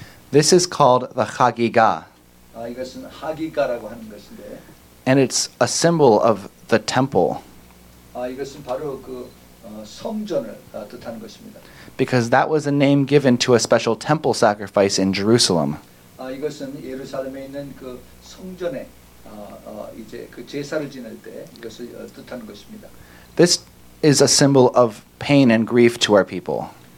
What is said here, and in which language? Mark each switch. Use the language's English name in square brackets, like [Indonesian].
[English] This is called the Chagigah. [Korean] 이것은 Chagigah라고 하는 것인데. [English] And it's a symbol of the temple. [Korean] 이것은 바로 그 성전을 뜻하는 것입니다. [English] Because that was a name given to a special temple sacrifice in Jerusalem. [Korean] 이것은 예루살렘에 있는 그 성전에 이제 그 제사를 지낼 때 이것을 뜻하는 것입니다. [English] This is a symbol of pain and grief to our people.